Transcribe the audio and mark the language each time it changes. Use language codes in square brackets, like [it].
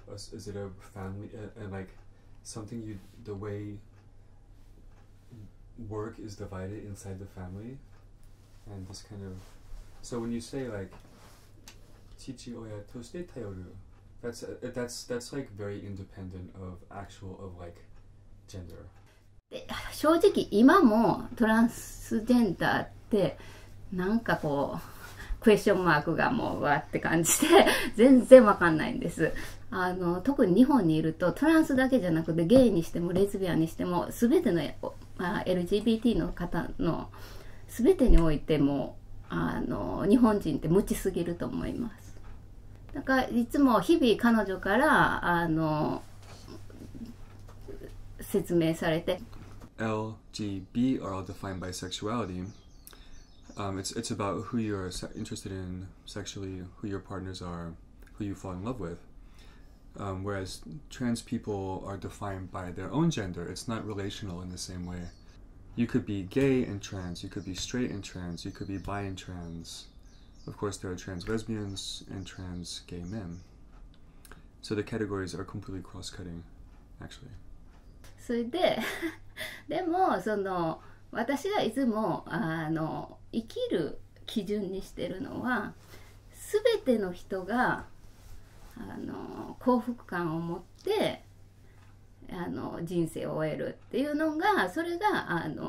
[en] Is it a family? And like something you, the way work is divided inside the family? And this kind of, so when you say like, [ja] 父親として頼る, [en] that's like very independent of actual, of like gender. [ja] 正直今もトランスジェンダーってなんかこうクエスチョンマークがもうわって感じで全然わかんないんです。特に日本にいるとトランスだけじゃなくてゲイにしてもレズビアンにしても全ての、LGBT の方の全てにおいても日本人って無知すぎると思います。なんかいつも日々彼女から説明されて [en] LGB are all defined by sexualityit's about who you're interested in sexually, who your partners are, who you fall in love with. Whereas trans people are defined by their own gender, it's not relational in the same way. You could be gay and trans, you could be straight and trans, you could be bi and trans. Of course, there are trans lesbians and trans gay men. So the categories are completely cross-cutting, actually. [ja] それで、でもその私がいつも生きる基準にしてるのは、すべての人が幸福感を持って人生を終えるっていうのが、それが